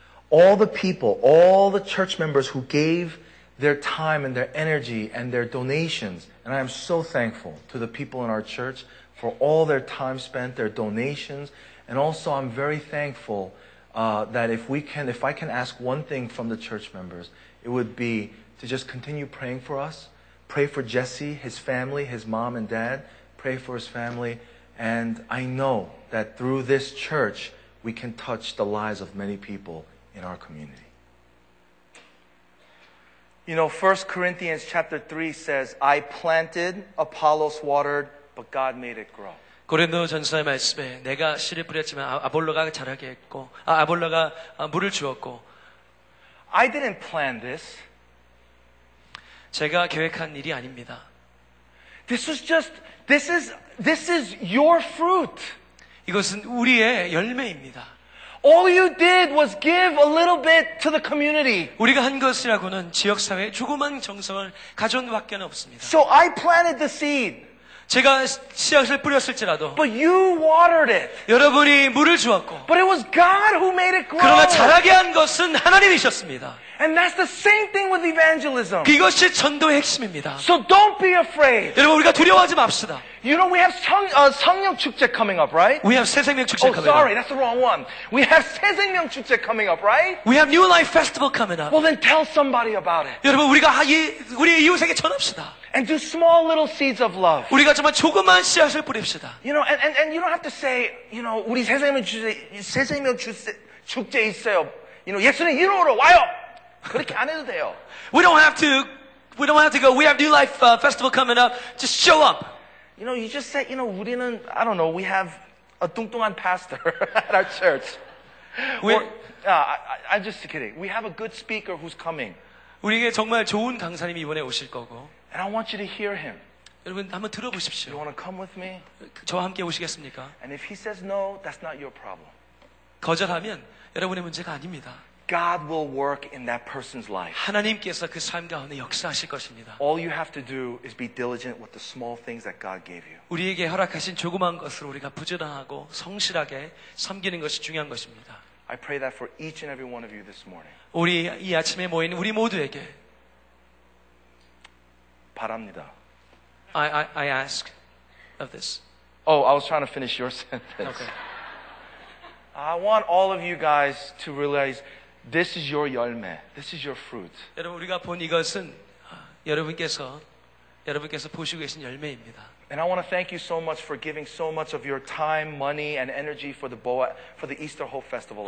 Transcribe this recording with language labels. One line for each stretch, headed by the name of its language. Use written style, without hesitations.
English: All the people, all the church members who gave their time and their energy and their donations, and I am so thankful to the people in our church for all their time spent, their donations, and also I'm very thankful that if I can ask one thing from the church members, it would be to just continue praying for us. Pray for Jesse, his family, his mom and dad. pray for his family. And I know that through this church, we can touch the lives of many people in our community. You know, 1 Corinthians chapter 3 says, I planted, Apollos watered, but God made it grow.
Korean: 고린도전서의 말씀에 내가 씨를 뿌렸지만 아볼로가 자라게 했고 아볼로가 물을 주었고
English: I didn't plan this.
Korean: 제가 계획한 일이 아닙니다.
English: This is just this is your fruit.
Korean: 이것은 우리의 열매입니다.
English: All you did was give a little bit to the community.
Korean: 우리가 한 것이라고는 지역 사회에 조그만 정성을 가져온 밖에 없습니다.
English: So I planted the seed.
Korean: 제가 씨앗을 뿌렸을지라도
English: But you watered it.
Korean: 여러분이 물을 주었고
English: But it was God who made it grow.
Korean: 그러나 자라게 한 것은 하나님이셨습니다.
English: And that's the same thing with evangelism.
Korean: 이것이 전도의 핵심입니다.
English: So don't be afraid.
Korean: 여러분 우리가 두려워하지 맙시다.
English: You know we have 성령 축제 coming up, right? We have 새 생명 축제 coming up. Oh, sorry, that's the wrong one. We have 새 생명 축제 coming up, right? We have New Life Festival coming up. Well, then tell somebody about it.
Korean: 여러분 우리가 우리 이웃에게 전합시다.
English: And do small little seeds of love.
Korean: 우리가 정말 조그만 씨앗을 뿌립시다.
English: You know, and you don't have to say, you know,
Korean: 우리 새 생명 축제 있어요.
English: You know,
Korean: 예수님 이름으로 와요. 그렇게 안 해도 돼요.
English: We don't have to go. We have New Life Festival coming up. Just show up. You know, you just say, you know, 우리는, I don't know, we have a 뚱뚱한 pastor at our church. I'm just kidding. We have a good speaker who's coming.
Korean: 우리에게 정말 좋은 강사님이 이번에 오실 거고.
English: And I want you to hear him.
Korean: 여러분 한번 들어보십시오.
English: You want to come with me?
Korean: 저와 함께 오시겠습니까?
English: And if he says no, that's not your problem.
Korean: 거절하면 여러분의 문제가 아닙니다.
English: God will work in that person's life.
Korean: 하나님께서 그 삶 가운데 역사하실 것입니다.
English: All you have to do is be diligent with the small things that God gave you.
Korean: 우리에게 허락하신 조그만 것으로 우리가 부지런하고 성실하게 섬기는 것이 중요한 것입니다.
English: I pray that for each and every one of you this morning.
Korean: 우리 이 아침에 모인 우리 모두에게 바랍니다.
English: I ask of this. Oh, I was trying to finish your sentence. Okay. I want all of you guys to realize this is your 열매. This is your fruit.
Korean: 여러분 우리가 본 이것은 여러분께서 보시고 계신 열매입니다.
English: And I want to thank you so much for giving so much of your time, money and energy for the Boa for the Easter Hope Festival.